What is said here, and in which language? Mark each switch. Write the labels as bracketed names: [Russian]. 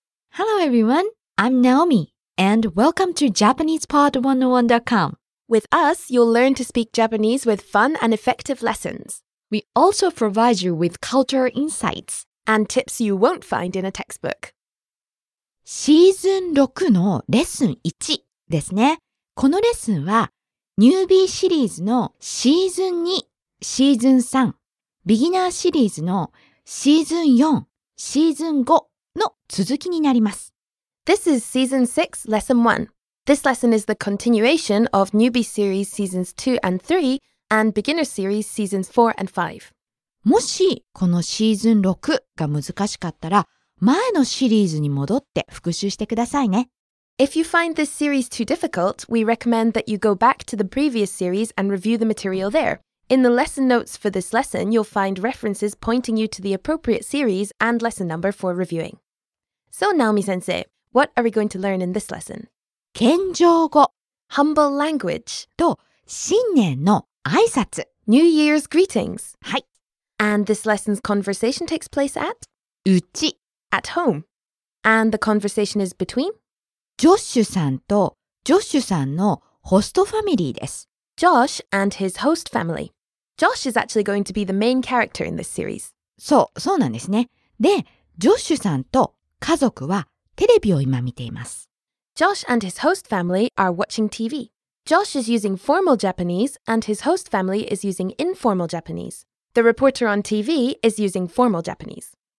[English] Hello everyone, I'm Naomi. And welcome to JapanesePod101.com. With us, you'll learn to speak Japanese with fun and effective lessons. We also provide you with cultural insights and tips you won't find in a textbook. [Japanese] シーズン6のレッスン1ですね。このレッスンは、ニュービーシリーズのシーズン2、シーズン3、ビギナーシリーズのシーズン4、シーズン5の続きになります。 [English] This is Season 6, Lesson 1. This lesson is the continuation of Newbie Series Seasons 2 and 3 and Beginner Series Seasons 4 and 5. [Japanese] もしこのシーズン6が難しかったら、前のシリーズに戻って復習してくださいね。 [English] If you find this series too difficult, we recommend that you go back to the previous series and review the material there. In the lesson notes for this lesson, you'll find references pointing you to the appropriate series and lesson number for reviewing. So, Naomi-sensei,What are we going to learn in this lesson? [Japanese] 謙譲語 [English] Humble language [Japanese] と新年の挨拶 [English] New Year's greetings [Japanese] はい [English] And this lesson's conversation takes place at? [Japanese] うち [English] At home And the conversation is between? [Japanese] ジョッシュさんとジョッシュさんのホストファミリーです [English] Josh and his host family Josh is actually going to be the main character in this series [Japanese] そうなんですねで、ジョッシュさんと家族はテレビを今見ています。 [English] Josh and his host family are watching TV. Josh is using formal Japanese and his host family is using informal Japanese. The reporter on TV is using formal Japanese.